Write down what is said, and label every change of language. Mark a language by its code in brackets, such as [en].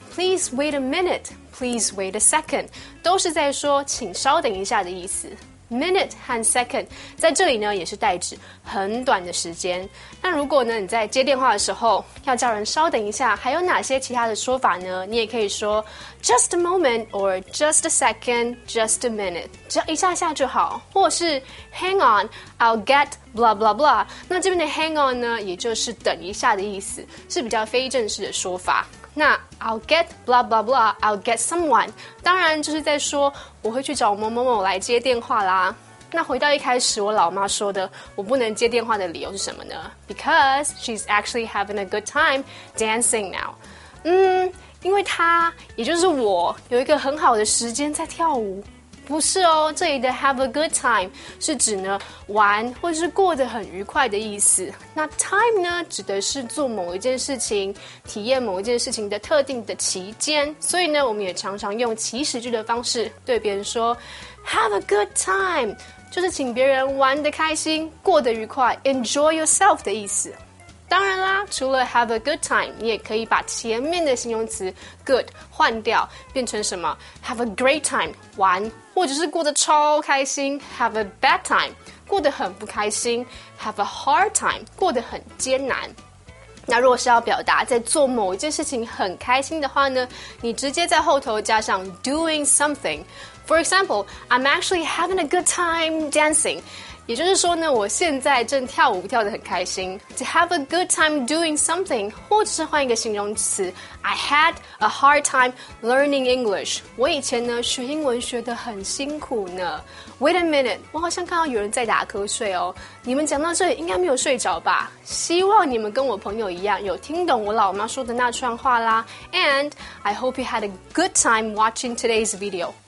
[en] Please wait a minute. Please wait a second， [zh] 都是在说请稍等一下的意思。 Minute 和 second 在这里呢，也是代指很短的时间。那如果呢你在接电话的时候要叫人稍等一下，还有哪些其他的说法呢？你也可以说 [en] just a moment or just a second, just a minute， [zh] 只要一下下就好，或是 [en] hang on, I'll get blah blah [zh] blah。那这边的 [en] hang on [zh] 呢，也就是等一下的意思，是比较非正式的说法。那 [en] I'll get blah blah blah, I'll get someone， [zh] 当然就是在说我会去找某某某来接电话啦。那回到一开始我老妈说的我不能接电话的理由是什么呢？ [en] Because she's actually having a good time dancing now。 [zh] 因为她也就是我有一个很好的时间在跳舞。不是哦，这里的 [en] have a good time [zh] 是指呢玩或是过得很愉快的意思。那 time 呢，指的是做某一件事情、体验某一件事情的特定的期间。所以呢，我们也常常用祈使句的方式对别人说 [en] have a good time， [zh] 就是请别人玩得开心、过得愉快、 [en] enjoy yourself [zh] 的意思。当然啦，除了 [en] have a good time， [zh] 你也可以把前面的形容词 good 换掉，变成什么 [en] have a great time [zh] 玩，或者是过得超开心 [en] have a bad time [zh] 过得很不开心 [en] have a hard time [zh] 过得很艰难。那若是要表达在做某一件事情很开心的话呢，你直接在后头加上 [en] doing something。 For example， I'm actually having a good time dancing， [zh] 也就是说呢，我现在正跳舞跳得很开心。 [en] To have a good time doing something， [zh] 或者是换一个形容词， [en] I had a hard time learning English， [zh] 我以前呢学英文学得很辛苦呢。 [en] Wait a minute， [zh] 我好像看到有人在打瞌睡哦。你们讲到这里应该没有睡着吧，希望你们跟我朋友一样有听懂我老妈说的那串话啦。 [en] And I hope you had a good time watching today's video.